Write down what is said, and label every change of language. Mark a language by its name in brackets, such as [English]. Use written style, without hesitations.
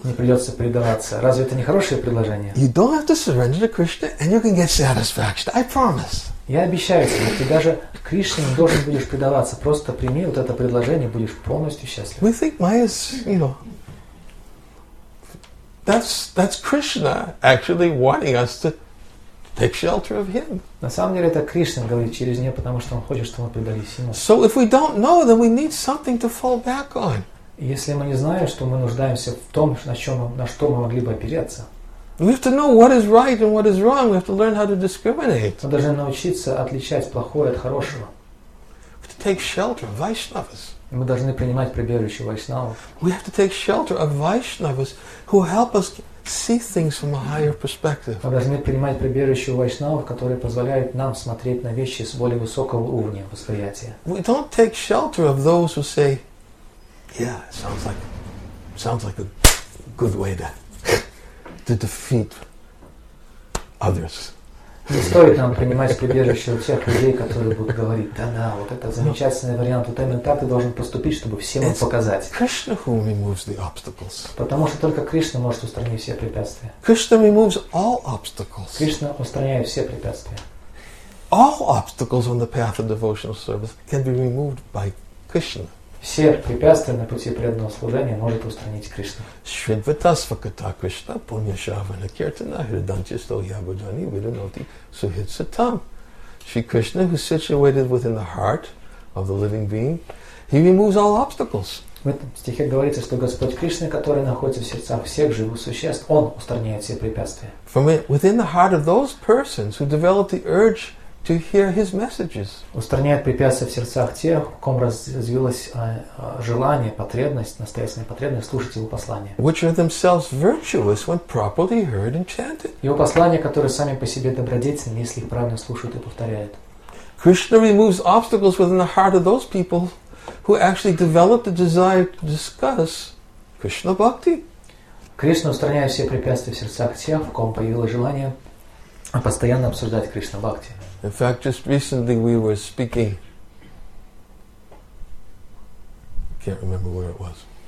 [Russian] Не придется предаваться. Разве это не хорошее предложение? [English] You don't have to surrender to Krishna, and you can get satisfaction. I promise. [Russian] Я обещаю тебе, ты даже Кришне не должен будешь предаваться. Просто прими вот это предложение, будешь полностью счастлив. [English] We think Maya's, you know. That's Krishna actually wanting us to take shelter of him. [Russian] На самом деле это Кришна говорит через нее, потому что он хочет, чтобы мы предались ему. [English] So if we don't know, then we need something to fall back on. [Russian] Если мы не знаем, что мы нуждаемся в том, на что мы могли бы опереться. [English] We have to know what is right and what is wrong. We have to learn how to discriminate. [Russian] Мы должны научиться отличать плохое от хорошего. [English] We have to take shelter of Vaishnavas. [Russian] Мы должны принимать прибежище вайшнавов. [English] We have to take shelter of Vaishnavas who help us see things from a higher perspective. [Russian] Мы должны принимать прибежище вайшнавов, которые позволяют нам смотреть на вещи с более высокого уровня восприятия. [English] We don't take shelter of those who say, yeah, sounds like a good way to defeat others. [Russian] Не стоит нам принимать прибежище у тех людей, которые будут говорить, да-да, вот это замечательный вариант, вот именно так ты должен поступить, чтобы всем [English] It's [Russian] показать. [English] Krishna who removes the obstacles. [Russian] Потому что только Кришна может устранить все препятствия. [English] Krishna removes all obstacles. [Russian] Кришна устраняет все препятствия. [English] All obstacles on the path of devotional service can be removed by Krishna. [Russian] Все препятствия на пути преданного служения может устранить Кришна. [Sanskrit] Шривитасвакта Кришна Пуньяшавана Киртана Хриданти Стоябуджани Вирановти Сухитсатам. [English] Шри Кришна, who is situated within the heart of the living being, he removes all obstacles. [Russian] В этом стихе говорится, что Господь Кришна, который находится в сердцах всех живых существ, он устраняет все препятствия. [English] From within the heart of those persons who develop the urge to hear his messages. [Russian] Устраняет препятствия в сердцах тех, в ком развилось желание, потребность, настоятельная потребность слушать его послания. [English] Which are themselves virtuous when properly heard and chanted. [Russian] Его послания, которые сами по себе добродетельны, если их правильно слушают и повторяют. [English] Krishna removes obstacles within the heart of those people who actually develop the desire to discuss Krishna bhakti. [Russian] Кришна устраняет все препятствия в сердцах тех, в ком появилось желание постоянно обсуждать Кришна бхакти. [English] In fact, just recently we were speaking. I can't remember where it was.